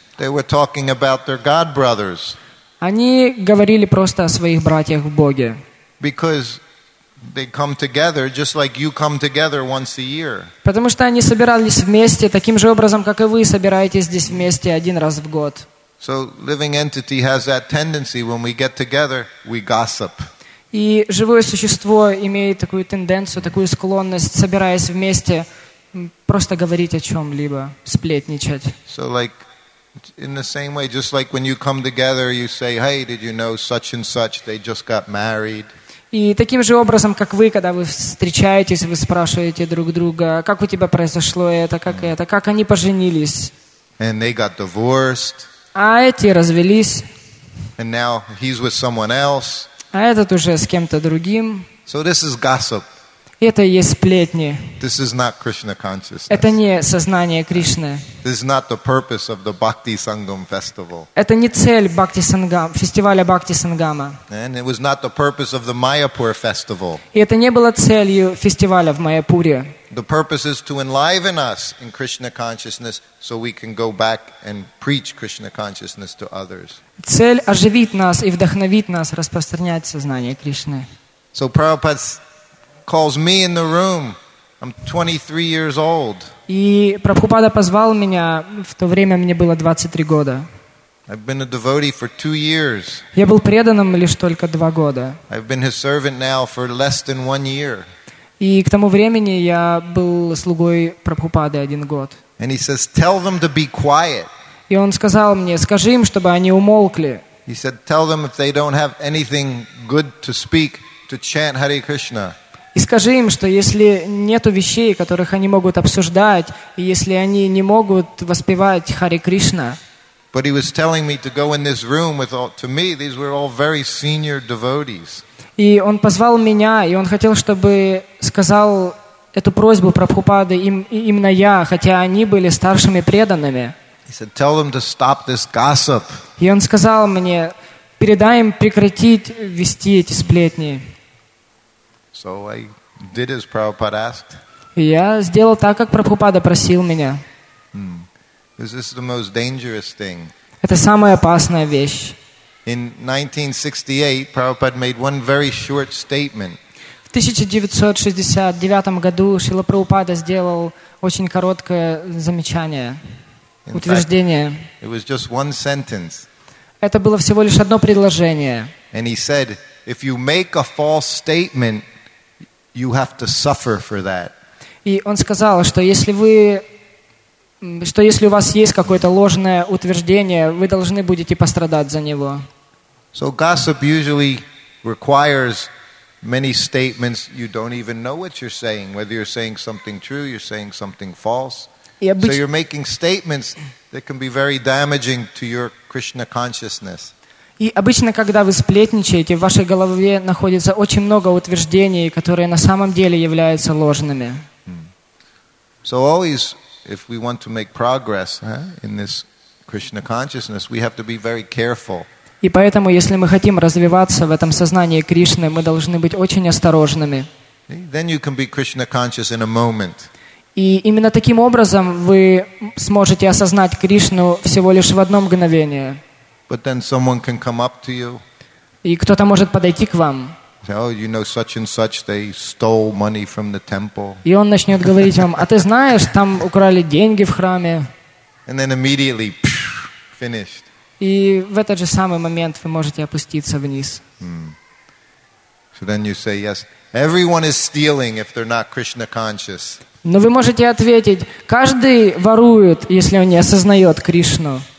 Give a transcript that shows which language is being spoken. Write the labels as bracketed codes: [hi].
[en] They were talking about their God brothers. [ru] Они говорили просто о своих братьях в Боге. [en] Because they come together just like you come together once a year. [ru] Потому что они собирались вместе таким же образом, как и вы собираетесь здесь вместе один раз в год. [en] So living entity has that tendency when we get together, we gossip. [ru] И живое существо имеет такую тенденцию, такую склонность, собираясь вместе, просто говорить о чем-либо, сплетничать. [en] So like in the same way, just like when you come together, you say, "Hey, did you know such and such? They just got married." [ru] И таким же образом, как вы, когда вы встречаетесь, вы спрашиваете друг друга, как у тебя произошло это, как они поженились. [en] And they got divorced. [ru] А эти развелись. [en] And now he's with someone else. [ru] А этот уже с кем-то другим. [en] So this is gossip. [ru] Это и есть сплетни. [en] This is not Krishna consciousness. [ru] Это не сознание Кришны. [en] This is not the purpose of the Bhakti Sangam festival. [ru] Это не цель Бхакти Сангам, фестиваля Бхакти Сангама. [en] And it was not the purpose of the Mayapur festival. [ru] И это не было целью фестиваля в Майяпуре. [en] The purpose is to enliven us in Krishna consciousness so we can go back and preach Krishna consciousness to others. [ru] Цель оживить нас и вдохновить нас распространять сознание Кришны. [en] So Prabhupada calls me in the room. I'm 23 years old. [ru] И Прабхупада позвал меня, в то время мне было 23 года. [en] I've been a devotee for 2 years. [ru] Я был преданным лишь только 2 года. [en] I've been his servant now for less than 1 year. [ru] И к тому времени я был слугой Прабхупады 1 год. [en] And he says, "Tell them to be quiet." [ru] И он сказал мне, скажи им, чтобы они умолкли. [en] He said, "Tell them if they don't have anything good to speak, to chant Hare Krishna. [ru] И скажи им, что если нету вещей, которых они могут обсуждать, и если они не могут воспевать Харе Кришна. [en] But he was telling me to go in this room with all, to me these were all very senior devotees. [ru] И он позвал меня, и он хотел, чтобы сказал эту просьбу Прабхупады им, именно я, хотя они были старшими преданными. [en] He said, tell them to stop this gossip. [ru] И он сказал мне, передай им прекратить вести эти сплетни. [en] So I did as Prabhupada asked. [ru] Я сделал так, как Прабхупада просил меня. [en] This is the most dangerous thing. [ru] Это самая опасная вещь. [en] In 1968, Prabhupada made one very short statement. [ru] В 1969 году Шрила Прабхупада сделал очень короткое замечание, утверждение. [en] It was just one sentence. [ru] Это было всего лишь одно предложение. [en] And he said, if you make a false statement, you have to suffer for that. [ru] И он сказал, что если вы что если у вас есть какое-то ложное утверждение, вы должны будете пострадать за него. [en] So gossip usually requires many statements you don't even know what you're saying, whether you're saying something true, you're saying something false. So you're making statements that can be very damaging to your Krishna consciousness. [ru] И обычно, когда вы сплетничаете, в вашей голове находится очень много утверждений, которые на самом деле являются ложными. [en] So always, if we want to make progress in this Krishna consciousness, we have to be very careful. [ru] И поэтому, если мы хотим развиваться в этом сознании Кришны, мы должны быть очень осторожными. [en] Then you can be Krishna conscious in a moment. [ru] И именно таким образом вы сможете осознать Кришну всего лишь в одно мгновение. [en] But then someone can come up to you. [ru] И кто-то может подойти к вам. [en] Oh, you know such and such, they stole money from the temple. [ru] И он начнет говорить вам, а ты знаешь, там украли деньги в храме. [en] And then immediately, finished. [ru] И в этот же самый момент вы можете опуститься вниз. [en] So then you say, yes, everyone is stealing if they're not Krishna conscious. [ru] Но вы можете ответить, каждый ворует, если он не осознает Кришну.